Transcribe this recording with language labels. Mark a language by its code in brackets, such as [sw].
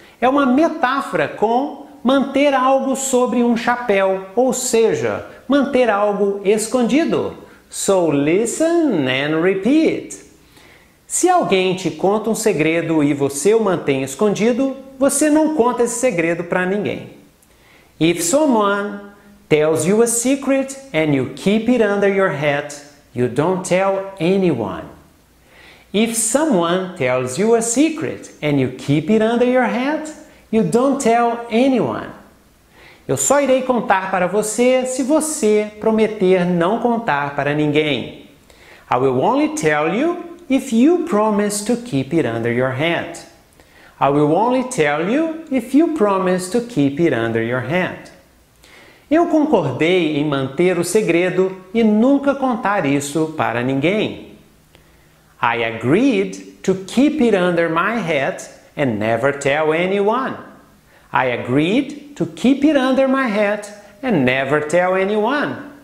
[pt] É uma metáfora com manter algo sobre um chapéu, ou seja, manter algo escondido. [en] So listen and repeat. [pt] Se alguém te conta um segredo e você o mantém escondido, você não conta esse segredo para ninguém. [en] If someone tells you a secret and you keep it under your hat, you don't tell anyone. If someone tells you a secret and you keep it under your hat, you don't tell anyone. [pt] Eu só irei contar para você se você prometer não contar para ninguém. [en] I will only tell you if you promise to keep it under your hat. I will only tell you if you promise to keep it under your hat. [pt] Eu concordei em manter o segredo e nunca contar isso para ninguém. [en] I agreed to keep it under my hat and never tell anyone. I agreed to keep it under my hat and never tell anyone.